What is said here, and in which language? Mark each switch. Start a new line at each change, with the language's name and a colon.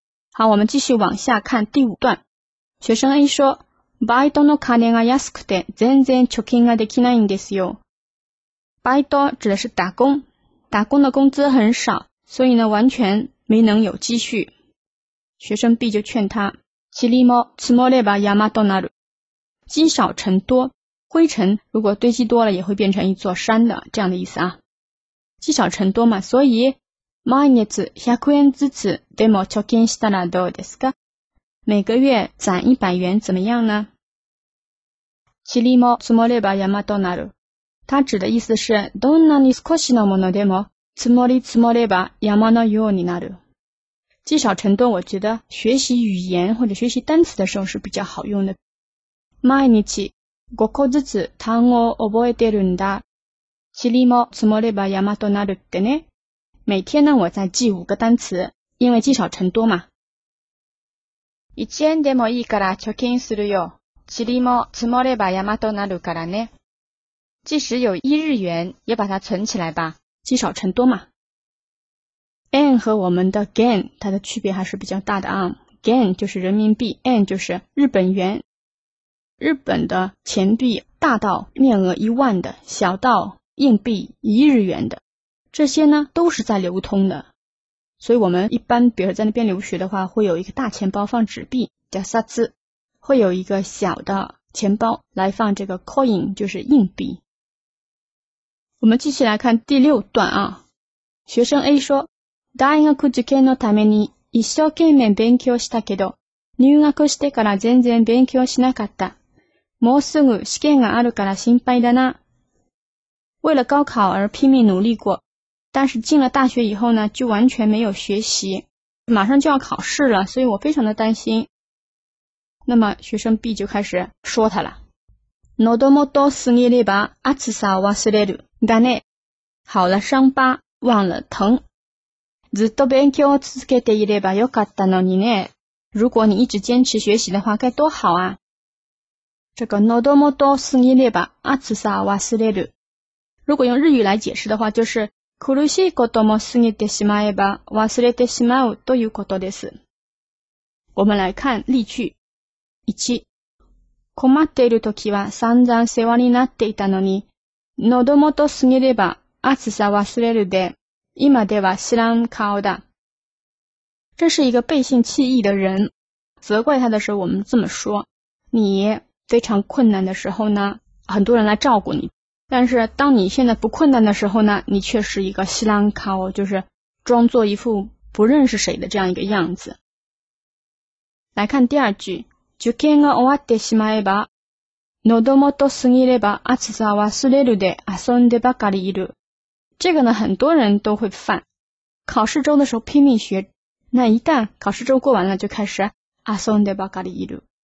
Chinese: 好，我们继续往下看第五段。学生 A 说。
Japanese: バイトの金が安くて全然貯金ができないんですよ。
Chinese: バイト指的是打工，打工的工资很少，所以呢完全没能有积蓄。学生 B 就劝他，
Japanese: チリも積もれば山となる。
Chinese: 积少成多，灰尘如果堆积多了也会变成一座山的，这样的意思啊。积少成多嘛，所以
Japanese: 毎月100円ずつでも貯金したらどうですか？
Chinese: 每个月攒100元怎么样呢？
Japanese: チリも積もれば山となる。
Chinese: 它指的意思是
Japanese: どんなに少しのものでも積もり積もれば山のようになる。
Chinese: 积少成多，我觉得学习语言或者学习单词的时候是比较好用的。
Japanese: 毎日5個ずつ単語を覚えてるんだ。チリも積もれば山となるってね。
Chinese: 每天呢我在记五个单词，因为积少成多嘛。
Japanese: 一円でもいいから貯金するよ。チリも積もれば山となるからね。
Chinese: 即使有一日元也把它存起来吧。积少成多嘛。円和我们的 gain, 它的区别还是比较大的啊。 gain 就是人民币，円 就是日本元。日本的钱币大到面额一万的，小到硬币一日元的。这些呢都是在流通的。所以我们一般比如在那边留学的话，会有一个大钱包放纸币叫札子，会有一个小的钱包来放这个 coin, 就是硬币。我们继续来看第六段啊。学生 A 说，
Japanese: 大学受験のために一生懸命勉強したけど、入学してから全然勉強しなかった。もうすぐ試験があるから心配だな。
Chinese: 为了高考而拼命努力过，但是进了大学以后呢，就完全没有学习。马上就要考试了，所以我非常的担心。那么学生 B 就开始说他了。
Japanese: のどもとすぎれば暑さを忘れる。だね。
Chinese: 好了，伤疤忘了疼。
Japanese: ずっと勉強を続けていればよかったのにね。
Chinese: 如果你一直坚持学习的话，该多好啊。这个
Japanese: のどもとすぎれば暑さを忘れる。
Chinese: 如果用日语来解释的话，就是
Japanese: 苦しいことも過ぎてしまえば忘れてしまうということです。
Chinese: 我们来看例句。 1.
Japanese: 困っているときは散々世話になっていたのに、喉元過ぎれば暑さ忘れるで、今では知らん顔だ。
Chinese: 这是一个背信弃义的人。责怪他的时候我们这么说。你非常困难的时候呢，很多人来照顾你。但是当你现在不困难的时候呢，你却是一个西兰卡哦，就是装作一副不认识谁的这样一个样子。来看第二句，
Japanese: 受験が終わってしまえば、喉元過ぎれば暑さ忘れるで遊んでばかりいる。
Chinese: 这个呢，很多人都会犯，考试周的时候拼命学，那一旦考试周过完了，就开始
Japanese: 遊んでばかりいる。